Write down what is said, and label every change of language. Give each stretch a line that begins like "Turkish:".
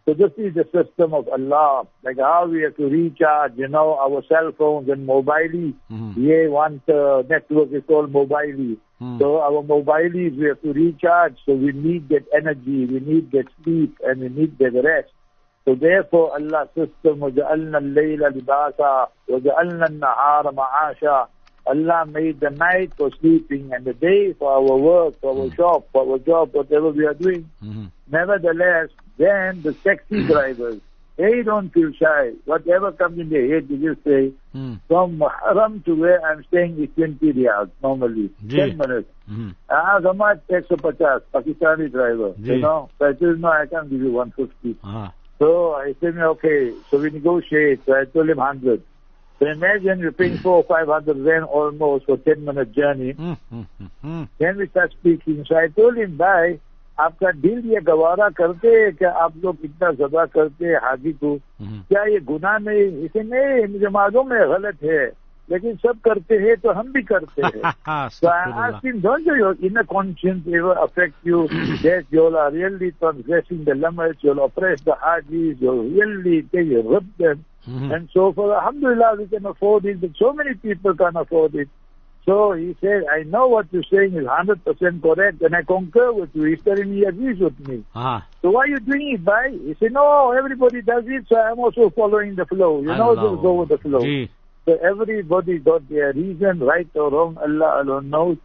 English: So this is the system of Allah, like how we have to recharge, you know, our cell phones and mobile. Yeah, one network is called mobile. So our mobile, we have to recharge. So we need that energy, we need that sleep, and we need that rest. So therefore, Allah's system,
Arabic: وَجَعَلْنَا اللَّيْلَ لِبَاسًا وَجَعَلْنَا النَّهَارَ مَعَاشًا.
English: Allah made the night for sleeping and the day for our work, for our shop, for our job, whatever we are doing. Nevertheless, then the taxi drivers, they don't feel shy. Whatever comes in their head, they just say, from Haram to where I'm staying is 20 riyals normally, 10 minutes. As much as 150, Pakistani driver, you know. So I said, no, I can't give you 150. So I said, okay, so we negotiate. So I told him 100. So imagine you're paying 400 or 500 then almost for 10 minute journey. Then we start speaking. So I told him, bye,
Urdu: آپ کا دل یہ گوارا کرتے ہیں کہ آپ لوگ اتنا ذبح کرتے ہیں حاجی کو؟ کیا یہ گناہ نہیں؟ اسے نہیں, مجھے معلوم ہے غلط ہے, لیکن سب کرتے ہیں تو ہم بھی کرتے ہیں.
English: Conscience ever affect you that you are really transgressing the limits, you oppress the hajis, you really take your rob them and so forth. الحمد للہ we can afford it, but so many people can afford it. So he said, I know what you're saying is 100% correct and I concur with you. He said, he agrees with me. So why are you doing it, bhai? He said, no, everybody does it, so I'm also following the flow. You know, just go with the flow. So everybody got their reason, right or wrong, Allah alone knows.